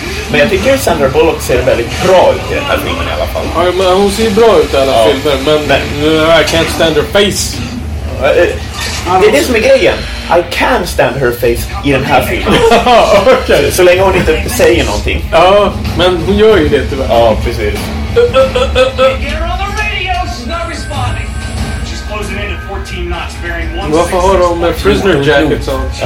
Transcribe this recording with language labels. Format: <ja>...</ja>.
<sv>Men jag tycker att Sandra Bullock ser väldigt bra ut i den här filmen i alla fall. Ja, men hon ser bra ut i alla filmer, men</sv> <en>I can't stand her face.</en> <sv>Det är det som är grejen.</sv> <en>I can stand her face</en> <sv>i den här filmen.</sv> <en>Okay.</en> <sv>Så länge hon inte säger någonting. Ja, men hon gör ju det tyvärr. Ja, precis.</sv> <en>Get her on the radio, she's not responding. She's closing in at 14 knots, bearing 16.</en> <sv>Varför har hon med</sv> <en>prisoner jackets on?</en>